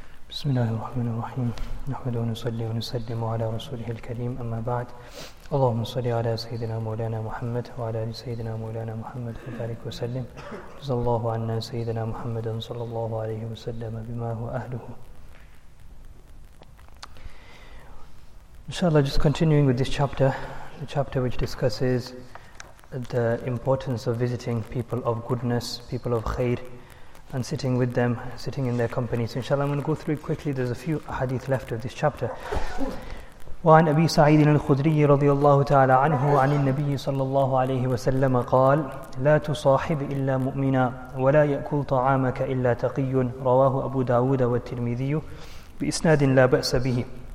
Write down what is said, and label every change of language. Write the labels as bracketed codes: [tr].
[ar] بسم الله الرحمن الرحيم نحمد ونصلي ونسلم على رسوله الكريم أما بعد اللهم صل على سيدنا مولانا محمد وعلى آل سيدنا مولانا محمد وبارك وسلم جزا الله عنا سيدنا محمد صلى الله عليه وسلم بما هو أهله. [en] Inshallah, just continuing with this chapter, the chapter which discusses the importance of visiting people of goodness, people of khair, and sitting with them, sitting in their company. So inshallah, I'm going to go through it quickly. There's a few hadith left of this chapter. [ar] وعن أبي سعيد الخدري رضي الله تعالى عنه عن النبي صلى الله عليه وسلم قال لا تصاحب إلا مؤمنا ولا يأكل طعامك إلا تقي رواه أبو داود والترمذي بإسناد لا بأس به.